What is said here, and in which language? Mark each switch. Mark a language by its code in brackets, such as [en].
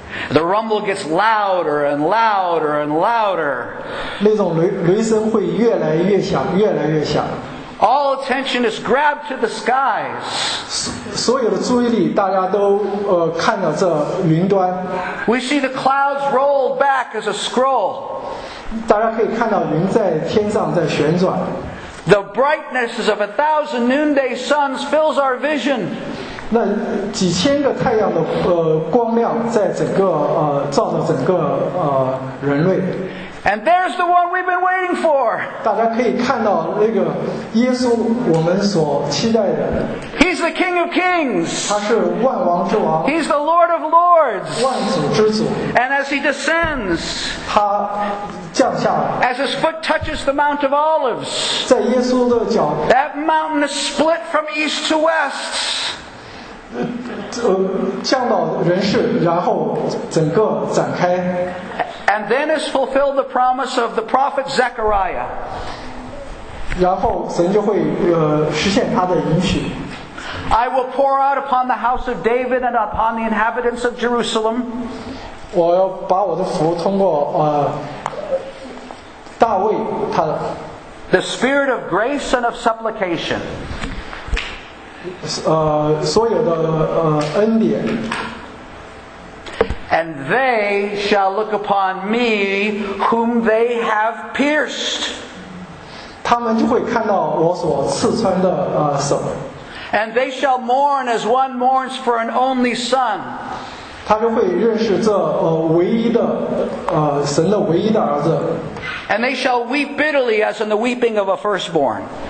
[en] The rumble gets louder and louder and louder. [zh] 那种雷声会越来越响，越来越响。 [en] All attention is grabbed to the skies. [zh] 所有的注意力，大家都看到这云端。 [en] We see the clouds roll back as a scroll. [zh] 大家可以看到云在天上在旋转。 [en] The brightness of 1,000 noonday suns fills our vision. [zh] 那几千个太阳的光亮在整个照着整个人类。 [en] And there's the one we've been waiting for. [zh] 大家可以看到那个耶稣，我们所期待的。 [en] He's the King of Kings. [zh] 他是万王之王。 [en] He's the Lord of Lords. [zh] 万主之主。 [en] And as he descends, [zh] 他降下来。 [en] As his foot touches the Mount of Olives, [zh] 在耶稣的脚。 [en] That mountain is split from east to west. [zh] 降到人世，然后整个展开。 [en] And then is fulfilled the promise of the prophet Zechariah. [zh] 然后神就会实现他的应许。 [en] I will pour out upon the house of David and upon the inhabitants of Jerusalem. [zh] 我要把我的福通过大卫他的。 [en] The spirit of grace and of supplication. [zh] 所有的恩典。 [en] And they shall look upon me whom they have pierced. [zh] 他们就会看到我所刺穿的手。 [en] And they shall mourn as one mourns for an only son. [zh] 他们会认识这唯一的神的唯一的儿子。 [en] And they shall weep bitterly as in the weeping of a firstborn.